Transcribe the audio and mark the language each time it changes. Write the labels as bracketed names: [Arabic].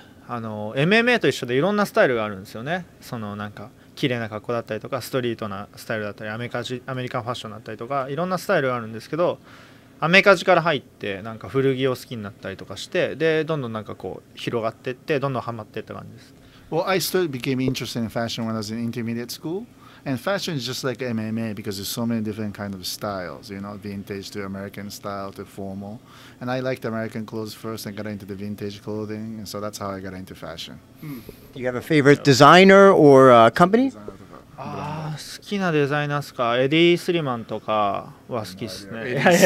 [Japanese] MMA と一緒でいろんなスタイルがあるんですよね。そのなんか綺麗な格好だったりとかストリートなスタイルだったりアメリカンファッションだったりとかいろんなスタイルがあるんですけど、アメカジから入ってなんか古着を好きになったりとかして、でどんどんなんかこう広がっていってどんどんハマっていった感じです。 [English] Well, I still became interested in fashion when I was in intermediate school, and fashion is just like MMA because there's so many different kind of styles, you know, vintage to American style to formal, and I liked American clothes first and got into the vintage clothing, and so that's how I got into fashion. Do you have a favorite designer or a company? [Japanese] ああ好きなデザイナーですか。エディ・スリマンとかは好きですね。